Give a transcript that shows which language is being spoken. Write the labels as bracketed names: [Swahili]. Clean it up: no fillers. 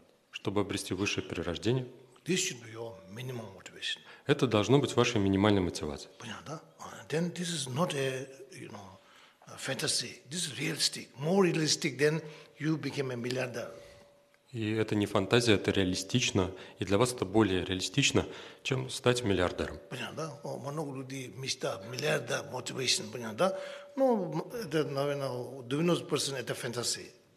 [Russian] Чтобы обрести высшее перерождение, [English] this should be your minimum motivation. [Russian] Это должно быть вашей минимальной мотивацией. Понятно, да? [English] Then this is not a, you know, fantasy. This is realistic. More realistic than you became a millionaire. [Russian] И это не фантазия, это реалистично. И для вас это более реалистично, чем стать миллиардером. Понятно, да? О, много людей мечта, миллиардер, мотивация, понятно, да? Ну, это, наверное, 90% это фантазии.